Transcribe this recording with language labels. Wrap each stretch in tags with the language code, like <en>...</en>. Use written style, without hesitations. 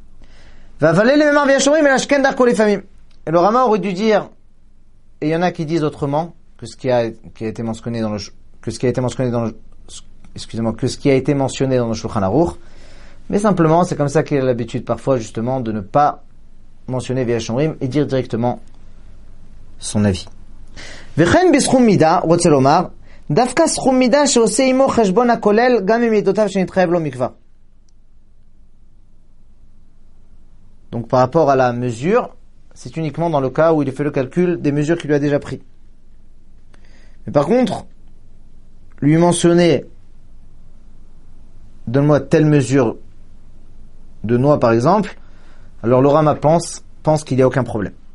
<fr>« Va valer les mêmes arbiachouris, mais la chkenda qu'on les familles. » Et le Rama aurait dû dire, et il y en a qui disent autrement, que ce qui a été mentionné dans le Shulchan Aruch. Mais simplement, c'est comme ça qu'il a l'habitude parfois, justement, de ne pas mentionner viachouris et dire directement son avis.</fr> <he>וכן בסכום מידה, רוצה לומר, דווקא סכום מידה שעושה עמו חשבון הכולל גם עם מידותיו שנתחייב לו מכבר.</he> <fr>Donc par rapport à la mesure, c'est uniquement dans le cas où il fait le calcul des mesures qu'il lui a déjà prises. Mais par contre, lui mentionner « Donne-moi telle mesure de noix, par exemple », alors le Rama pense qu'il n'y a aucun problème.</fr>